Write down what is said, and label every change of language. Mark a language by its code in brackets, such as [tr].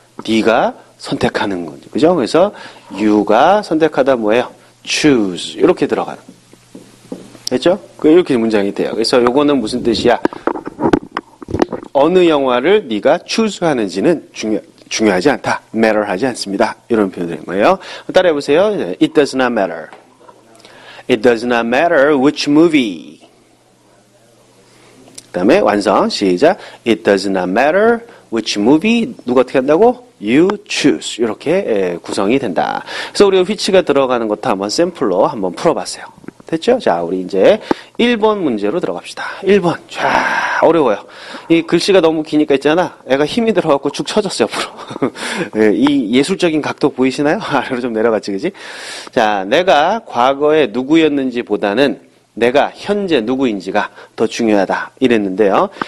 [ko] 네가 선택하는 거지. 그죠? 그래서 you가 선택하다 뭐예요? choose. 이렇게 들어가는. 됐죠? 이렇게 문장이 돼요. 그래서 요거는 무슨 뜻이야? 어느 영화를 네가 추수하는지는 중요하지 않다. matter 하지 않습니다. 이런 표현을 거예요. 따라해 보세요. [en] It does not matter. It does not matter which movie. [ko] 다음에 완성 시작. [en] It does not matter which movie [ko] 누가 어떻게 한다고? [en] You choose. [ko] 이렇게 구성이 된다. 그래서 우리 which가 들어가는 것도 한번 샘플로 한번 풀어봤어요. 됐죠? 자, 우리 이제 1번 문제로 들어갑시다. 1번. 자, 어려워요. 이 글씨가 너무 기니까 있잖아. 애가 힘이 들어갖고 죽 쳐졌어요, 앞으로. 이 예술적인 각도 보이시나요? 아래로 좀 내려갔지, 그지? 자, 내가 과거에 누구였는지 보다는 내가 현재 누구인지가 더 중요하다. 이랬는데요.